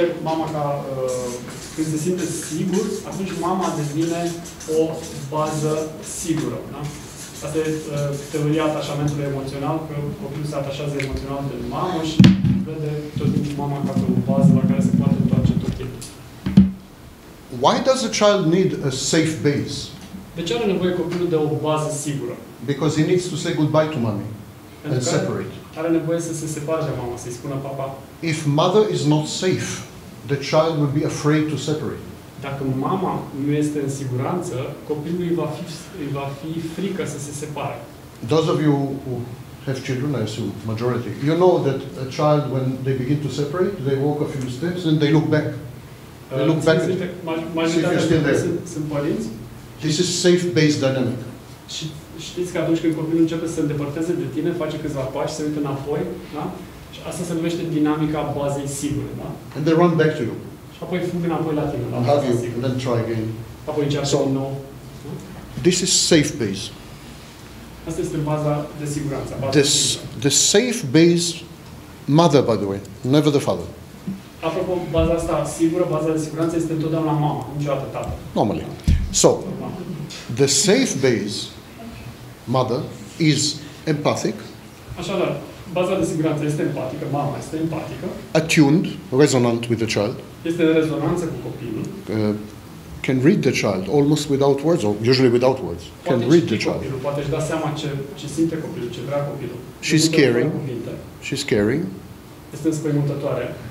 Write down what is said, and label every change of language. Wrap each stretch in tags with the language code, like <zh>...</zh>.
<ro>Mama ca când se simte sigur, atunci mama devine o bază sigură, da? Asta e teoria atașamentului emoțional, că copilul se atașează emoțional de mamă și vede tot timpul mama ca pe o bază la care se poate întoarce tot timpul.</ro> <en>Why does a child need a safe base?</en> <ro>De ce are nevoie copilul de o bază sigură?</ro> <en>Because he needs to say goodbye to mommy and separate.</en> <ro>Are nevoie să se separe de mama, să-i spună papa.</ro> <en>If mother is not safe, the child will be afraid to separate.</en> <ro>Dacă mama nu este în siguranță, copilul îi va fi frică să se separe.</ro> <en>Those of you who have children, I assume, majority, you know that a child, when they begin to separate, they walk a few steps and they look back. They look back and see if you're still there.</en> <ro>Sunt părinți.</ro> <en>This is safe base dynamic.</en> <ro>Și știți că atunci când copilul începe să se îndepărteze de tine, face câțiva pași, se uită înapoi, da? Și asta se numește dinamica bazei sigure, da?</ro> <en>And they run back to you.</en> <ro>Apoi fug înapoi la tine.</ro> <en>And hug you, and then try again.</en> <ro>apoi încearcă din nou.</ro> <en>This is safe base.</en> <ro>Asta este baza de siguranță.</ro> <en>The safe base mother, by the way, never the father.</en> <ro>Apropo, baza asta sigură, baza de siguranță este întotdeauna mama, niciodată tată.</ro> <en>Normally. So, the safe base mother is empathic.</en> <ro>Așadar, baza de siguranță este empatică, mama este empatică.</ro> <en>Attuned, resonant with the child.</en> <ro>Este în rezonanță cu copilul.</ro> <en>Can read the child almost without words, or usually without words.</en> <ro>Poate</ro> <en>can read the child.</en> <ro>Copilul, poate își da seama ce simte copilul, ce vrea copilul.</ro> <en>She's caring. She's caring.</en> <ro>Este înspăimântătoare.</ro>